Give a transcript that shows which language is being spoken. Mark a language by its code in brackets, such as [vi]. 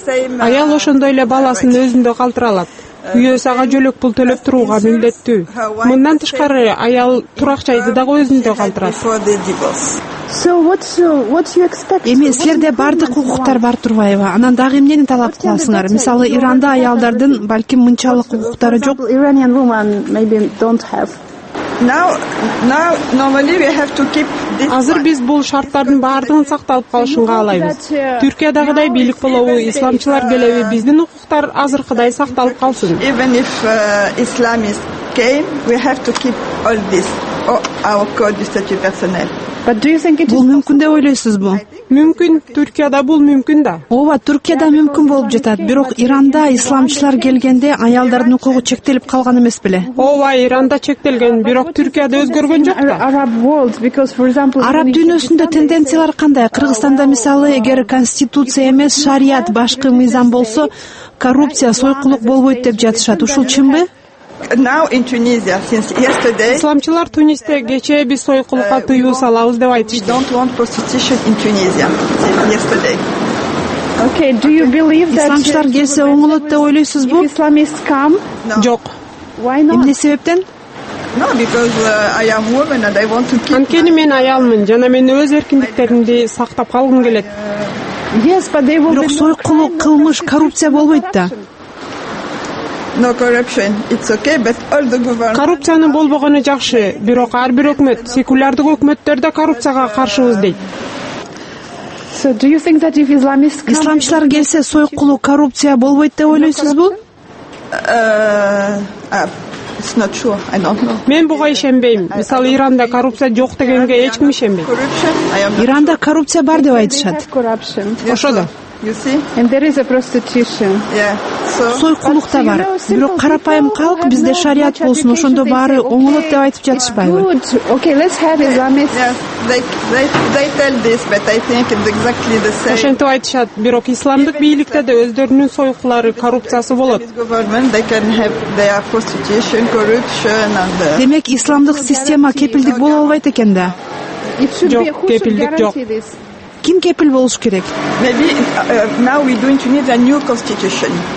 [ky] Аял ошондой эле баласын өзүндө калтыра алат. Үйөсү ага жөлөк пул төлөп турууга милдеттүү. Мындан тышкары аял турак жайды дагы өзүндө калтырат. [en] So what you expect? [ky] Эми силерде бардык укуктар бар турбайбы? Анан дагы эмнени талап кыласыңар? Мисалы, Иранда аялдардын балким мынчалык укуктары жок. [en] Iranian women maybe don't have. Now normally we have to keep this. [ky] Азыр биз бул шарттардын бардыгын сакталып калышын каалайбыз. Түркиядагыдай бийлик болобу, исламчылар келеби, биздин укуктар азыркыдай сакталып калсын. [en] Even if Islamists came, we have to keep all this. Our code is statut personnel. But do you think it is? [ky] Бул мүмкүн деп ойлойсузбу? Мүмкүн, Түркияда бул мүмкүн да. Ооба, Түркияда мүмкүн болуп жатат, бирок Иранда исламчылар келгенде аялдардын укугу чектелип калган эмес беле? Ооба, Иранда чектелген, бирок Түркияда өзгөргөн жок да. [en] Arab world, because for example, [ky] Arab дүйнөсүндө тенденциялар кандай? Кыргызстанда мисалы, эгер конституция эмес, шариат башкы мыйзам болсо, коррупция, сойкулук болбойт деп жатышат. Ушул чынбы? [en] Now in Tunisia since yesterday. [ky] Исламчылар Тунисте кечээ биз сойкулукка тыюу салабыз деп айтышты. [en] We don't want prostitution in Tunisia since yesterday. Okay, do you believe that [ky] исламчылар келсе оңолот деп ойлойсузбу? [en] Islamists come? [ky] Жок. [en] Why not? [ky] Эмне себептен? [en] No, because I am woman and I want to keep. [ky] Анткени мен аялмын жана мен өз эркиндиктеримди сактап калгым келет. [en] Yes, but they will be. [ky] Бирок сойкулук, кылмыш, коррупция болбойт да. [en] No corruption, it's okay, but all the government. [ky] Коррупцияны болбогону жакшы, бирок ар бир өкмөт, секулярдык өкмөттөр да коррупцияга каршыбыз дейт. [en] So do you think that if Islamists come? [ky] Исламчылар келсе сойкулук, коррупция болбойт деп ойлойсузбу? [en] It's not true, I don't know. [ky] Мен буга ишенбейм. Мисалы, Иранда коррупция жок дегенге эч ким ишенбейт. Иранда коррупция бар деп айтышат. Ошо да. [en] You see? And there is a prostitution. Yeah. [ky] Сойкулук да бар. Бирок карапайым калк бизде шариат болсун, ошондо баары оңолот деп айтып жатышпайбы? [en] Okay, let's have Islamists. They tell this, but I think it's exactly the same. [ky] Ошентип айтышат, бирок исламдык бийликте да өздөрүнүн сойкулары, коррупциясы болот. [en] They are prostitution, corruption and the. [ky] Демек, исламдык система кепилдик боло албайт экен да? Жок, кепилдик жок. Ким кепил болуш керек? [en] Maybe now we don't need a new constitution.